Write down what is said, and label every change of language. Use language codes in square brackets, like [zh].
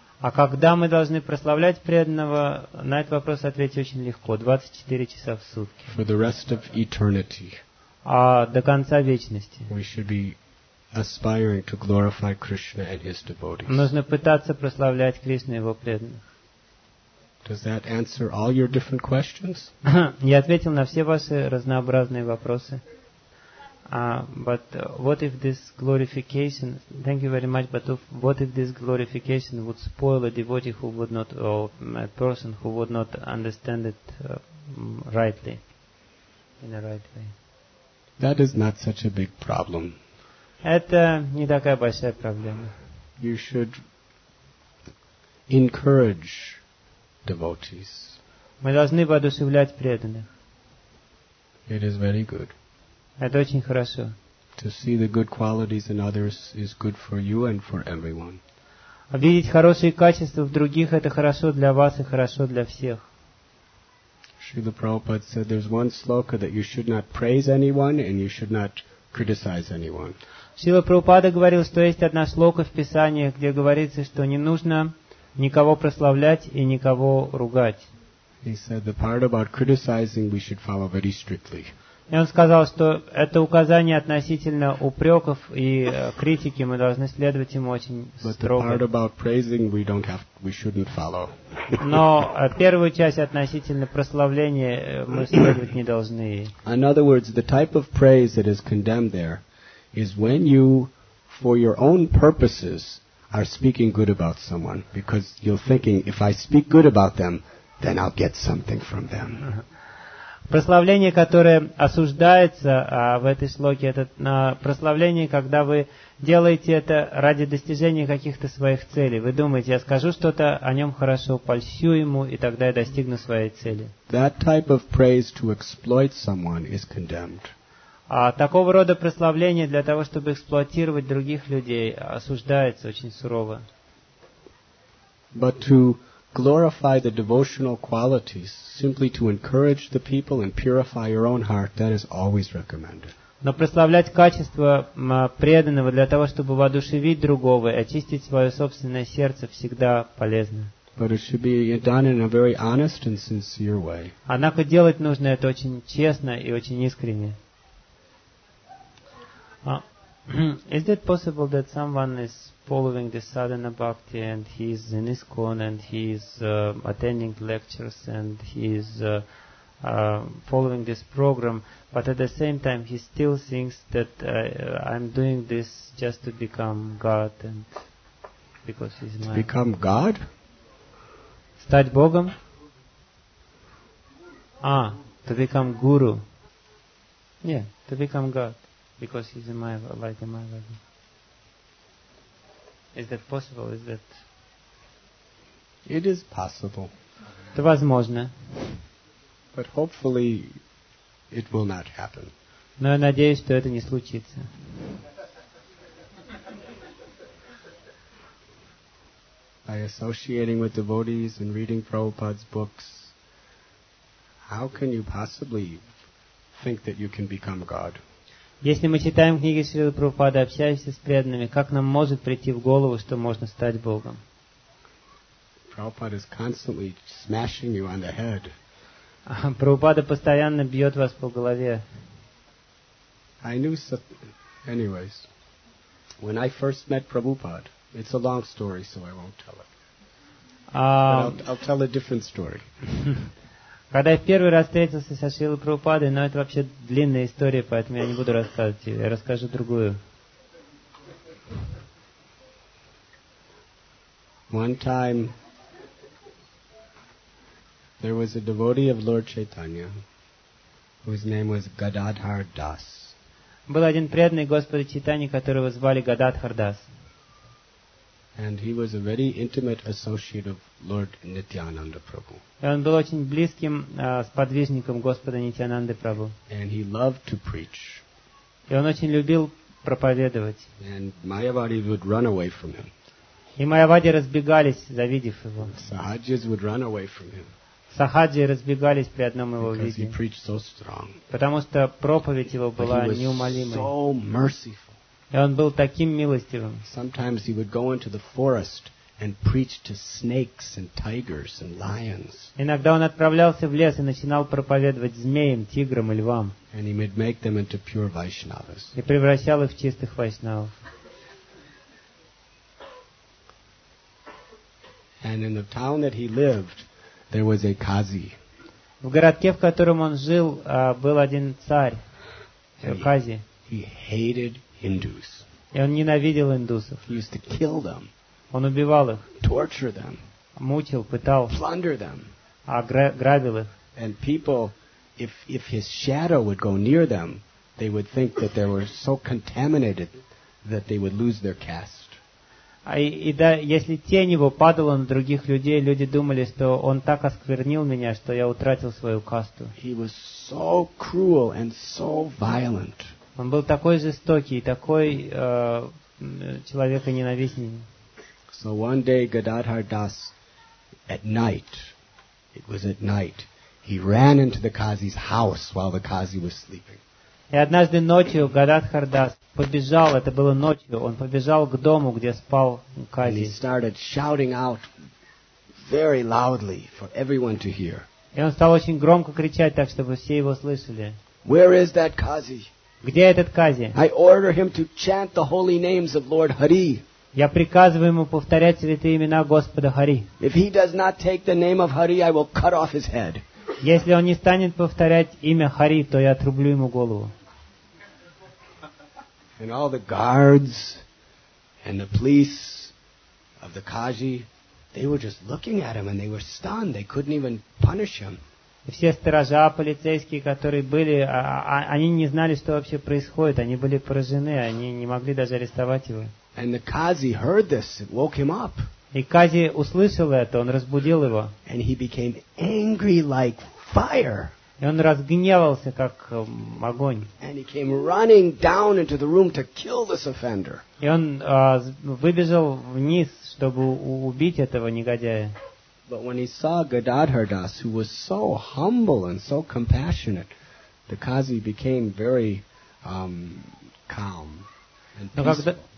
[ru] А когда мы должны прославлять преданного, на этот вопрос ответить очень легко. 24 часа в сутки. [en] For the rest of eternity. [ru] А до конца вечности. [en] We should be aspiring to glorify Krishna and his devotees. [ru] Нужно пытаться прославлять Кришну и его преданных. [en] Does that answer all your different questions? [ru] Я ответил на все ваши разнообразные вопросы. [en] But what if this glorification? Thank you very much. But what if this glorification would spoil a devotee who would not, or a person who would not understand it rightly, in a right way? That is not such a big problem. [ru] Это не такая большая проблема. [en] You should encourage devotees. [ru] Мы должны воодушевлять преданных. [en] It is very good. [ru] Это очень хорошо. [en] To see the good qualities in others is good for you and for everyone. [ru] Видеть хорошие качества в других – это хорошо для вас и хорошо для всех. [en] Srila Prabhupada said, "There's one sloka that you should not praise anyone and you should not criticize anyone." [ru] Srila Prabhupada говорил, что есть одна слока в Писании, где говорится, что не нужно никого прославлять и никого ругать. [en] He said, "The part about criticizing, we should follow very strictly." [ru] И он сказал, что это указание относительно упреков и критики, мы должны следовать ему очень строго. [en] But the part about praising we don't have, we shouldn't follow. [ru] Но первую часть относительно прославления мы следовать не должны. [en] In other words, the type of praise that is condemned there is when you, for your own purposes, are speaking good about someone, because you're thinking, if I speak good about them, then I'll get something from them. [ru] Прославление, которое осуждается в этой слоке, это прославление, когда вы делаете это ради достижения каких-то своих целей. Вы думаете, я скажу что-то о нем хорошо, польщу ему, и тогда я достигну своей цели. [en] That type of praise to exploit someone is condemned. [ru] А такого рода прославление для того, чтобы эксплуатировать других людей, осуждается очень сурово. [en] But to glorify the devotional qualities, simply to encourage the people and purify your own heart, that is always recommended. [ru] Но прославлять качество преданного для того, чтобы воодушевить другого, очистить свое собственное сердце, всегда полезно. [en] But it should be done in a very honest and sincere way. [ru] Однако делать нужно это очень честно и очень искренне. [en] Is it possible that someone is following the sadhana bhakti and he is in ISKCON and he is attending lectures and he is following this program, but at the same time he still thinks that I'm doing this just to become God and because he's my... To become God? [ru] Стать Богом? [en] Ah, to become guru. Yeah, to become God. Because he's in my light, in my body. Is that possible? Is that? It is possible. [ru] Это возможно. [en] But hopefully, it will not happen. [ru] Но я надеюсь, что это не случится. [en] By associating with devotees and reading Prabhupada's books, how can you possibly think that you can become God? [ru] Если мы читаем книги Шрилы Прабхупады, общаемся с преданными, как нам может прийти в голову, что можно стать Богом? [en] Prabhupada is constantly smashing you on the head. [ru] Прабхупада постоянно бьет вас по голове. [en] I knew anyways, when I first met Prabhupada, it's a long story, so I won't tell it. I'll tell a different story. [ru] Когда я в первый раз встретился со Шрилой Прабхупадой, но это вообще длинная история, поэтому я не буду рассказывать ее, я расскажу другую. [en] One time there was a devotee of Lord Chaitanya, whose name was Gadadhar Das. [ru] Был один преданный Господа Чайтаньи, которого звали Гададхар Дас. [en] And he was a very intimate associate of Lord Nityananda Prabhu. [ru] И он был очень близким сподвижником Господа Нитьянанды Прабху. [en] And he loved to preach. [ru] И он очень любил проповедовать. [en] And Mayavadis would run away from him. [ru] И майявади разбегались, завидев его. [en] Sahajis would run away from him. [ru] Сахаджи разбегались при одном его виде. [en] Because he preached so strong. [ru] Потому что проповедь его была неумолимой. [en] So merciful. [ru] И он был таким милостивым. [en] Sometimes he would go into the forest and preach to snakes and tigers and lions. [ru] Иногда он отправлялся в лес и начинал проповедовать змеям, тиграм и львам. [en] And he would make them into pure Vaishnavas. [ru] И превращал их в чистых вайшнавов. [en] And in the town that he lived, there was a kazi. [ru] В городке, в котором он жил, был один царь, кази. [en] He hated Hindus. [ru] И он ненавидел индусов. [en] He used to kill them. [ru] Он убивал их. [en] Torture them. [ru] Мучил, пытал. [en] Plunder them. [ru] Грабил их. [en] And people, if his shadow would go near them, they would think that they were so contaminated that they would lose their caste. [ru] И если тень его падала на других людей, люди думали, что он так осквернил меня, что я утратил свою касту. [en] He was so cruel and so violent. [ru] Он был такой жестокий, такой человеконенавистный. [en] So one day Gadadhar Das, at night, it was at night, he ran into the Kazi's house while the Kazi was sleeping. [ru] И однажды ночью Гададхар Дас побежал, это было ночью, он побежал к дому, где спал Кази. [en] And he started shouting out very loudly for everyone to hear. [ru] И он стал очень громко кричать так, чтобы все его слышали. [en] Where is that Kazi? [ru] Где этот Кази? [en] I order him to chant the holy names of Lord Hari. [ru] Я приказываю ему повторять святые имена Господа Хари. [en] If he does not take the name of Hari, I will cut off his head. [ru] Если он не станет повторять имя Хари, то я отрублю ему голову. [en] And all the guards and the police of the Kazi, they were just looking at him and they were stunned. They couldn't even punish him. [ru] И все сторожа, полицейские, которые были, они не знали, что вообще происходит. Они были поражены, они не могли даже арестовать его. [en] And the Kazi heard this, woke him up. [ru] И Кази услышал это, он разбудил его. [en] And he became angry like fire. [ru] И он разгневался, как огонь. [en] And he came running down into the room to kill this offender. [ru] И он выбежал вниз, чтобы убить этого негодяя. [en] But when he saw Gadadhar Das, who was so humble and so compassionate, the Kazi became very calm and peaceful.